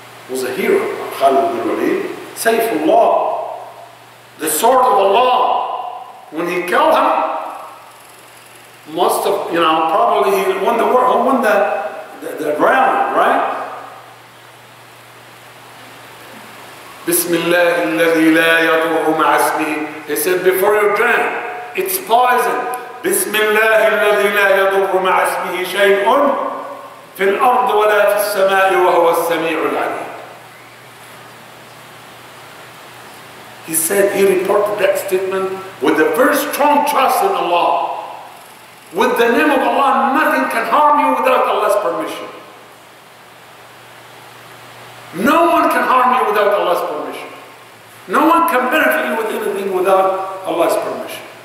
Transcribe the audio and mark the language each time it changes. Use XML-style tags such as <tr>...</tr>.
<en>Was a hero, Khalid ibn Walid, Saifullah, the sword of Allah. When he killed him, must have, you know, probably he won the war, he won the round, right?</en> <ar>بسم الله الذي لا يضر مع اسمه.</ar> <en>He said, before you drink, it's poison.</en> <ar>بسم الله الذي لا يضر مع اسمه شيء في الأرض ولا في السماء وهو السميع العليم.</ar> <en>He said, he reported that statement with a very strong trust in Allah. With the name of Allah, nothing can harm you without Allah's permission. No one can harm you without Allah's permission. No one can benefit you with anything without Allah's permission.</en>